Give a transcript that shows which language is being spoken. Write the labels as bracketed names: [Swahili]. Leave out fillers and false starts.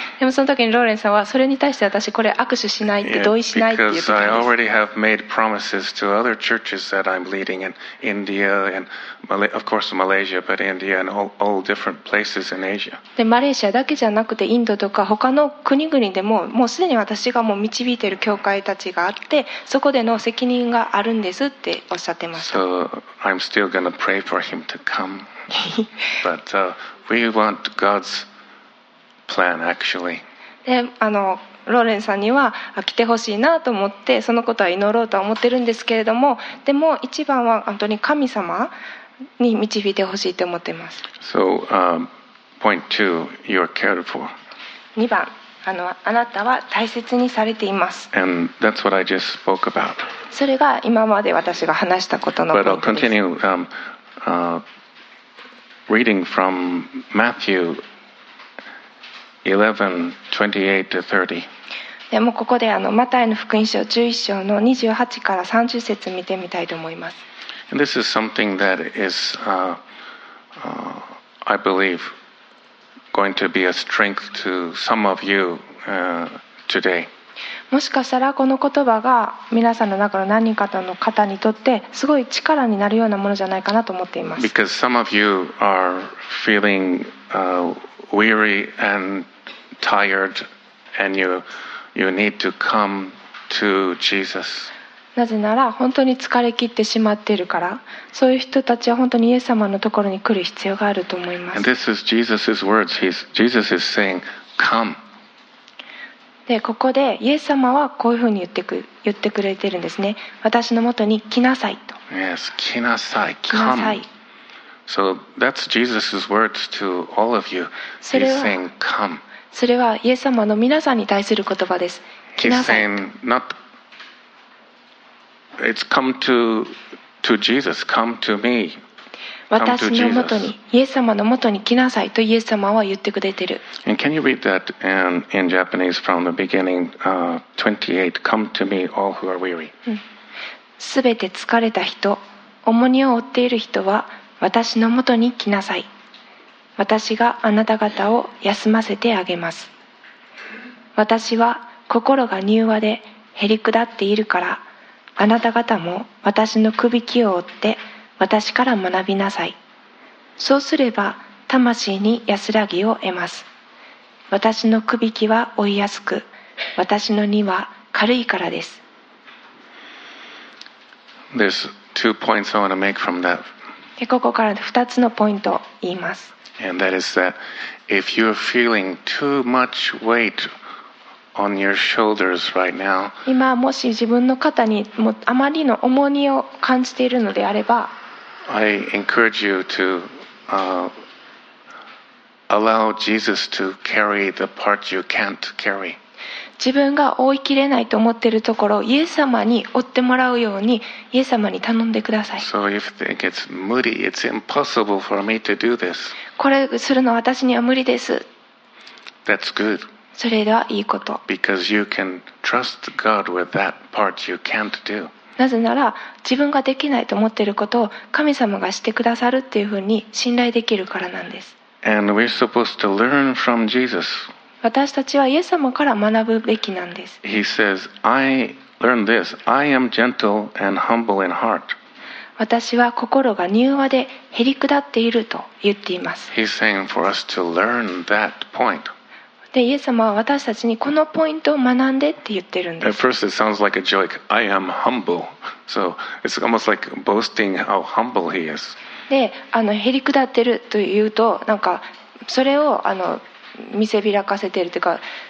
[Japanese] でもその時にローレンさんはそれに対して私これ握手しないって同意しないって言ったんです。 [English] Because I already have made promises to other churches that I'm leading in India and of course Malaysia, but India and all different places in Asia. [Japanese] でマレーシアだけじゃなくてインドとか他の国々でももうすでに私がもう導いている教会たちがあってそこでの責任があるんですっておっしゃってました。 [English] So I'm still going to pray for him to come. But we want God's plan actually. [Japanese] でローレンさんには来てほしいなと思ってそのことは祈ろうとは思ってるんですけれどもでも一番は本当に神様に導いてほしいと思ってます。 [English] So, point two, you are cared for. [Japanese] 2番あなたは大切にされています。 [English] And that's what I just spoke about. [Japanese] それが今まで私が話したことのポイントです。 [English] But I'll continue reading from Matthew 11:28-30. [Japanese] でもここでマタイの福音書11章の28から30節見てみたいと思います。 [English] And this is something that is I believe going to be a strength to some of you today. [Japanese] もしかしたらこの言葉が皆さんの中の何人かの方にとってすごい力になるようなものじゃないかなと思っています。 [English] Because some of you are feeling weary and tired and you need to come to Jesus. [Japanese] なぜなら本当に疲れ切ってしまっているからそういう人たちは本当にイエス様のところに来る必要があると思います。 [English] And this is Jesus' words. Jesus is saying, come. [Japanese] でここでイエス様はこういうふうに言ってくれているんですね。私のもとに来なさいと。 [English] Yes, [Japanese] 来なさい。 [English] Come. So that's Jesus' words to all of you. He's saying, come. [Japanese] それはイエス様の皆さんに対する言葉です。来なさい。 [English] He's saying not, it's come to Jesus, come to me. [Japanese] 私のもとに、イエス様のもとに来なさいとイエス様は言ってくれている。 [English] And can you read that in Japanese from the beginning, 28, come to me all who are weary. [Japanese] すべて疲れた人、重荷を負っている人は私のもとに来なさい。私があなた方を休ませてあげます。私は心が柔和でへり下っているからあなた方も私の首輝を追って私から学びなさい。そうすれば魂に安らぎを得ます。私の首輝は負いやすく私の荷は軽いからです。 [English] There's two points I want to make from that. [Japanese] でここから2つのポイントを言います。 [English] And that is that if you're feeling too much weight on your shoulders right now, [Japanese] 今もし自分の肩にもあまりの重荷を感じているのであれば、 [English] I encourage you to allow Jesus to carry the part you can't carry. [Japanese] 自分が負いきれないと思っているところをイエス様に負ってもらうようにイエス様に頼んでください。 [English] So if it gets moody, it's impossible for me to do this. [Japanese] これするのは私には無理です。 [English] That's good. [Japanese] それではいいこと。 [English] Because you can trust God with that part you can't do. [Japanese] なぜなら自分ができないと思っていることを神様がしてくださるっていうふうに信頼できるからなんです。 [English] And we're supposed to learn from Jesus. [Japanese] 私たちはイエス様から学ぶべきなんです。 [English] He says, I learned this. I am gentle and humble in heart. [Japanese] 私は心が柔和でへり下っていると言っています。 [English] He's saying for us to learn that point. [Japanese] でイエス様は私たちにこのポイントを学んでって言ってるんです。 [English] At first it sounds like a joke. I am humble. So it's almost like boasting how humble he is. [Japanese] でへり下ってるというとなんかそれを見せびらかせてるというか